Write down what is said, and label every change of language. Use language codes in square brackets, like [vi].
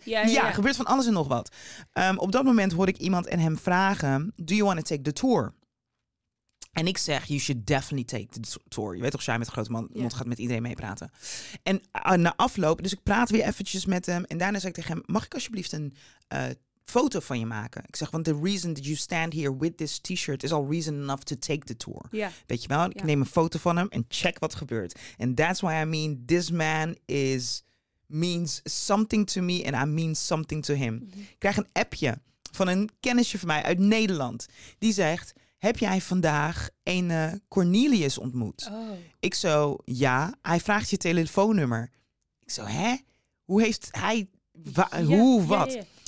[nl] Ja, er gebeurt van alles en nog wat. Op dat moment hoor ik iemand en hem vragen: [en] Do you want to take the tour? [nl] En ik zeg, [en] you should definitely take the tour. [nl] Je weet toch, jij met een grote mond gaat met iedereen meepraten. En na afloop, dus ik praat weer eventjes met hem. En daarna zeg ik tegen hem, mag ik alsjeblieft een foto van je maken. Ik zeg, want [en] the reason that you stand here with this t-shirt is [nl] al [en] reason enough to take the tour. Yeah. [nl] Weet je wel? Ik neem een foto van hem en check wat gebeurt. [en] And that's why I mean this man is means something to me and I mean something to him. Mm-hmm. [nl] Ik krijg een appje van een kennisje van mij uit Nederland. Die zegt, heb jij vandaag een Cornelius ontmoet? Oh. Ik zo, ja. Hij vraagt je telefoonnummer. Ik zo, hè? Hoe heeft hij... wat? Yeah, yeah.